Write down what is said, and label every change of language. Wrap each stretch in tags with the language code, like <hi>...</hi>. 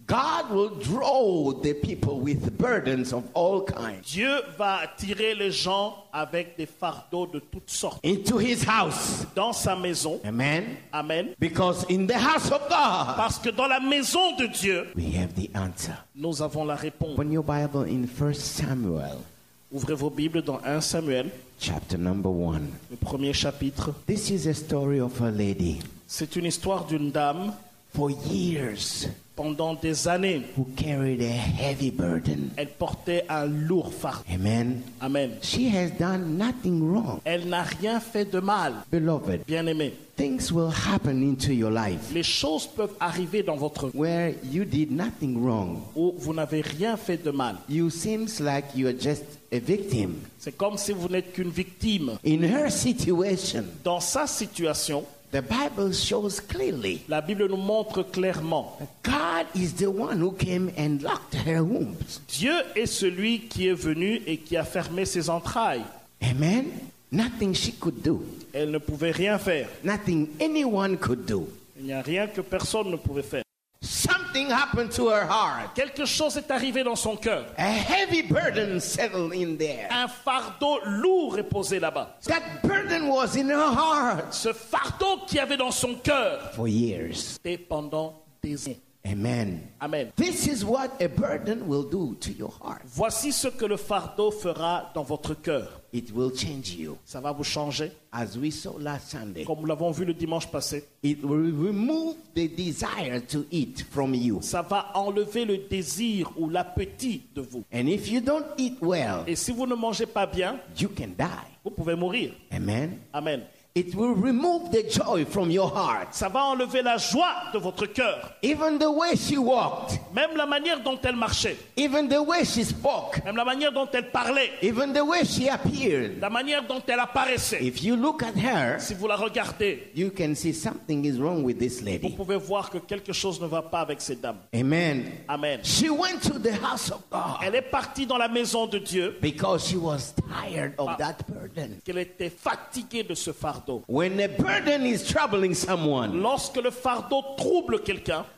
<en>God will draw the people with burdens of all kinds.</en> <fr>Dieu va attirer les gens avec des fardeaux de toutes sortes.</fr> <en>Into his house.</en> <fr>Dans sa maison.</fr> <en>Amen.</en> <fr>Amen.</fr> <en>Because in the house of God.</en> <fr>Parce que dans la maison de Dieu.</fr> <en>We have the answer.</en> <fr>Nous avons la réponse.</fr> <en>Open your Bible in 1 Samuel.</en> <fr>Ouvrez vos Bibles dans 1 Samuel.</fr> <en>Chapter number 1.</en> <fr>Le premier chapitre.</fr> <en>This is a story of a lady.</en> <fr>C'est une histoire d'une dame.</fr> <en>For years.</en> <fr>Pendant des années.</fr> <en>Who carried a heavy burden.</en> <fr>Elle portait un lourd fardeau.</fr> <en>Amen.</en> <fr>Amen.</fr> <en>She has done nothing wrong.</en> <fr>Elle n'a rien fait de mal.</fr> <en>Beloved.</en> <fr>Bien-aimée.</fr> <en>Things will happen into your life.</en> <fr>Les choses peuvent arriver dans votre vie.</fr> <en>Where you did nothing wrong.</en> <fr>Où vous n'avez rien fait de mal.</fr> <en>You seems like you are just a victim.</en> <fr>C'est comme si vous n'êtes qu'une victime.</fr> <en>In her situation.</en> <fr>Dans sa situation.</fr> <en>The Bible shows clearly.</en> <fr>La Bible nous montre clairement.</fr> <en>God is the one who came and locked her womb.</en> <fr>Dieu est celui qui est venu et qui a fermé ses entrailles.</fr> <en>Amen. Nothing she could do.</en> <fr>Elle ne pouvait rien faire.</fr> <en>Nothing anyone could do.</en> <fr>Il n'y a rien que personne ne pouvait faire.</fr> <en>Something happened to her heart.</en> <fr>Quelque chose est arrivé dans son cœur.</fr> <en>A heavy burden settled in there.</en> <fr>Un fardeau lourd est posé là-bas.</fr> <en>That burden was in her heart.</en> <fr>Ce fardeau qui avait dans son cœur.</fr> <en>For years.</en> <fr>Et pendant des années.</fr> <en>Amen.</en> <fr>Amen.</fr> <en>This is what a burden will do to your heart.</en> <fr>Voici ce que le fardeau fera dans votre cœur.</fr> <en>It will change you.</en> <fr>Ça va vous changer.</fr> <en>As we saw last Sunday.</en> <fr>Comme nous l'avons vu le dimanche passé.</fr> <en>It will remove the desire to eat from you.</en> <fr>Ça va enlever le désir ou l'appétit de vous.</fr> <en>And if you don't eat well.</en> <fr>Et si vous ne mangez pas bien.</fr> <en>You can die.</en> <fr>Vous pouvez mourir.</fr> <en>Amen.</en> <fr>Amen.</fr> <en>It will remove the joy from your heart.</en> <fr>Ça va enlever la joie de votre cœur.</fr> <en>Even the way she walked.</en> <fr>Même la manière dont elle marchait.</fr> <en>Even the way she spoke.</en> <fr>Même la manière dont elle parlait.</fr> <en>Even the way she appeared.</en> <fr>La manière dont elle apparaissait.</fr> <en>If you look at her.</en> <fr>Si vous la regardez.</fr> <en>You can see something is wrong with this lady.</en> <fr>Vous pouvez voir que quelque chose ne va pas avec cette dame.</fr> <en>Amen.</en> <fr>Amen.</fr> <en>She went to the house of God.</en> <fr>Elle est partie dans la maison de Dieu.</fr> <en>Because she was tired of that burden.</en> <fr>Qu'elle était fatiguée de ce fardeau.</fr> <en>When a burden is troubling someone,</en> <fr>lorsque le fardeau trouble quelqu'un,</fr>